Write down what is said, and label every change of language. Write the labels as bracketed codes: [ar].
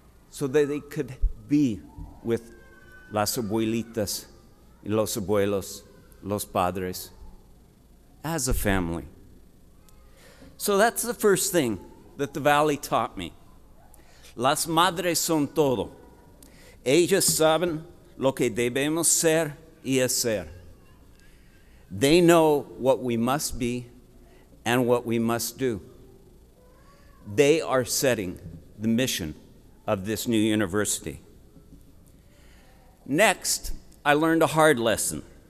[en] so that they could be with [es] las abuelitas, los abuelos, los padres, [en] as a family. So that's the first thing that the Valley taught me. [es] Las madres son todo. Ellas saben lo que debemos ser y hacer. [en] They know what we must be and what we must do. They are setting the mission of this new university. Next, I learned a hard lesson.